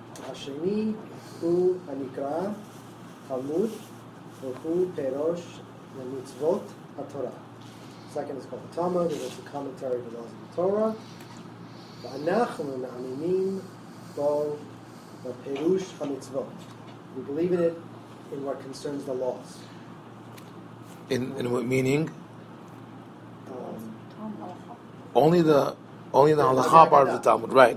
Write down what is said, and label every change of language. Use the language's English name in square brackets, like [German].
[Hebrew] השני הוא הנקרא חמוד והוא פירוש למצוות התורה. [English] Second is called the Talmud, it is a commentary to the laws of the Torah. [Hebrew] ואנחנו מאמינים בו בפירוש המצוות. [English] We believe in it in what concerns the laws. In what meaning? Only the halacha part of the Talmud, right?